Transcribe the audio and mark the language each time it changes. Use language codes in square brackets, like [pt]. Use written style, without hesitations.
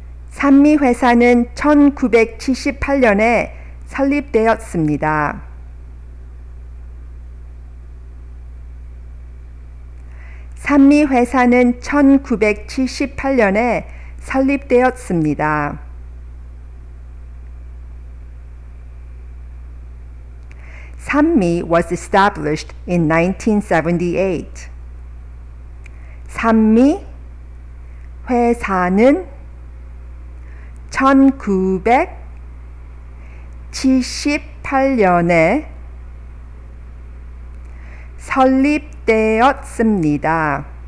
[ko] Sanmi 회사는 1978년에 설립되었습니다. Sanmi 회사는 1978년에 설립되었습니다. [en] Sanmi was established in 1978. [ko] Sanmi 회사는 1978년에 설립되었습니다.